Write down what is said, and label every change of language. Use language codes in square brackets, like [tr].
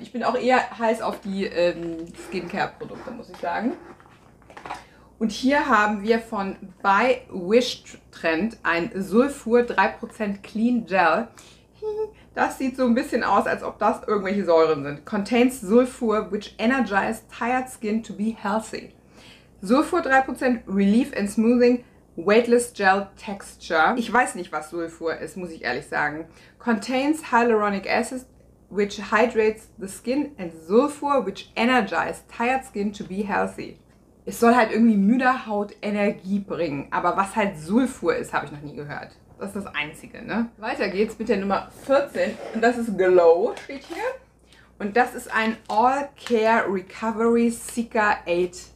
[de] Ich bin auch eher heiß auf die Skincare-Produkte, muss ich sagen. Und hier haben wir von By Wish Trend ein Sulfur 3% Clean Gel. Das sieht so ein bisschen aus, als ob das irgendwelche Säuren sind. [en] Contains Sulfur, which energizes tired skin to be healthy. Sulfur 3% Relief and Smoothing Weightless Gel Texture. [de] Ich weiß nicht, was Sulfur ist, muss ich ehrlich sagen. [en] Contains Hyaluronic Acid, which hydrates the skin, and Sulfur, which energizes tired skin to be healthy. [de] Es soll halt irgendwie müde Haut Energie bringen, aber was halt Sulfur ist, habe ich noch nie gehört. Das ist das Einzige, ne? Weiter geht's mit der Nummer 14 und das ist Glow, steht hier. Und das ist ein All Care Recovery Seeker 8